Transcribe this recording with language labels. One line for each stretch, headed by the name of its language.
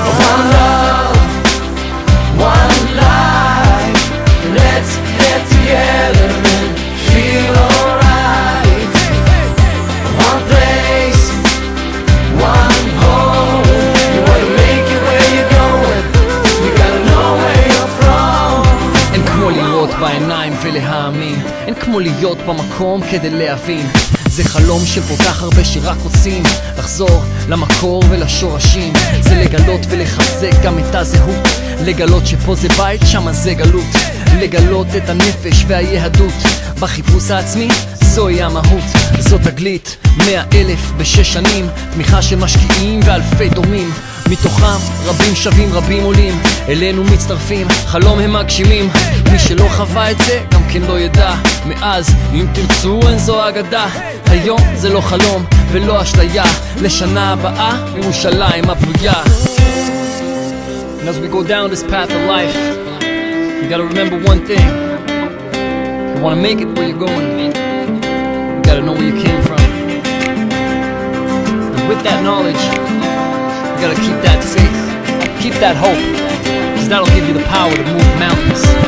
English: One love, one life, let's get together and feel alright. One place, one home, you wanna make it where you're going, you gotta know where you're from.
Hebrew: And כמו לראות בעיניים ולהאמין, and כמו להיות במקום כדי להבין, זה חלום של כל כך הרבה שרק רוצים לחזור למקור ולשורשים. זה לגלות ולחזק גם את הזהות, לגלות שפה זה בית, שמה זה גלות, לגלות את הנפש והיהדות בחיפוש העצמי, זוהי המהות. זאת תגלית 100,000 ב6 שנים, תמיכה של משקיעים ואלפי דומים, מתוכם רבים שווים רבים עולים, אלינו מצטרפים, חלום הם מגשימים. מי שלא חווה את זה גם כן לא ידע, מאז אם תרצו אין זו אגדה. היום זה לא חלום ולא אשליה, לשנה הבאה ירושלים הבויה.
English: And as we go down this path of life, you gotta remember one thing. If you wanna make it where you're going, you gotta know where you came from. And with that knowledge, you gotta keep that faith, keep that hope, because that'll give you the power to move mountains.